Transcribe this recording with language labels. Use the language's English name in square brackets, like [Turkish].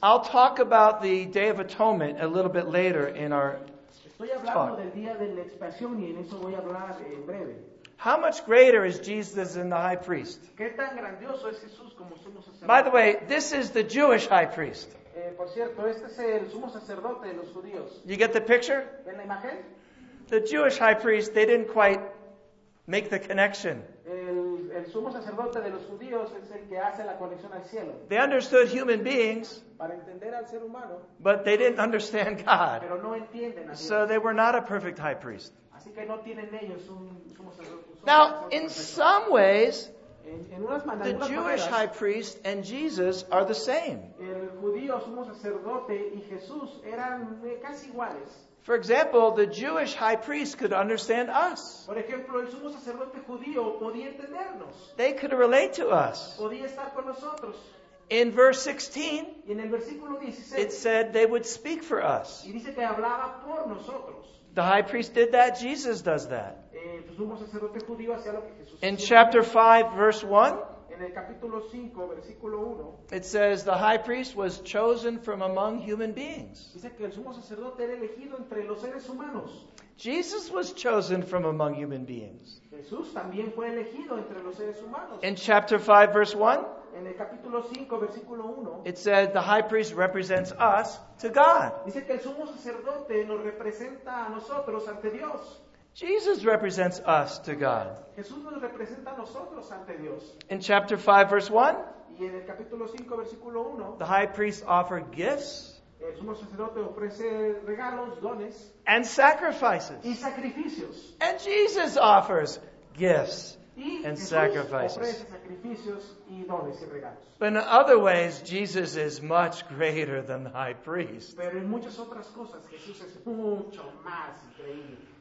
[English] I'll talk about the Day of Atonement a little bit later in our [Spanish] Estoy hablando [English] talk. [Spanish] Del día de la expiación y en eso voy a hablar en breve. [English] How much greater is Jesus than the high priest? [Spanish] ¿Qué tan grandioso es Jesús como sumo sacerdote? [English] By the way, this is the Jewish high priest. [Spanish] Por cierto, este es el sumo sacerdote de los judíos. [English] You get the picture? [Spanish] ¿Ven la imagen? [English] The Jewish high priest, they didn't quite make the connection. [Spanish] El sumo sacerdote de los judíos es el que hace la conexión al cielo. [English] They understood human beings, [Spanish] para entender al ser humano, [English] but they didn't understand God. [Spanish] Pero no entienden a Dios. [English] So they were not a perfect high priest. [Spanish] Así que no tienen ellos un sumo sacerdote. [English] Now, in some ways, the Jewish high priest and Jesus are the same. [Spanish] El judío sumo sacerdote y Jesús eran casi iguales. [English] For example, the Jewish high priest could understand us. [Spanish] Por ejemplo, el sumo sacerdote judío podía entendernos. [English] They could relate to us. [Spanish] Podía estar con nosotros. [English] In verse 16, [Spanish] y en el versículo 16, [English] it said they would speak for us. [Spanish] Y dice que hablaba por nosotros. [English] The high priest did that. Jesus does that. [Spanish] Sumo sacerdote judío hacía lo que Jesús [English] in chapter 5, verse 1, [Spanish] en el capítulo 5, versículo 1, [English] it says the high priest was chosen from among human beings. [Spanish] Dice que el sumo sacerdote era elegido entre los seres humanos. [English] Jesus was chosen from among human beings. [Spanish] Jesús también fue elegido entre los seres humanos. [English] In chapter 5, verse 1, [Spanish] en el capítulo 5, versículo 1, [English] it said the high priest represents us to God. [Spanish] Dice que el sumo sacerdote nos representa a nosotros ante Dios. [English] Jesus represents us to God. [Spanish] Jesús nos representa a nosotros ante Dios. [English] In chapter 5, verse 1, [Spanish] y en el capítulo 5, versículo 1, [English] the high priest offered gifts, [Spanish] el sumo sacerdote ofrece regalos, dones, [English] and sacrifices. [Spanish] Y sacrificios. [English] And Jesus offers gifts. And [Spanish] Jesús [English] sacrifices. [Spanish] Ofrece sacrificios y dones y regalos. [English] But in other ways, Jesus is much greater than the high priest. [Spanish] Pero en muchas otras cosas, Jesús es mucho más increíble.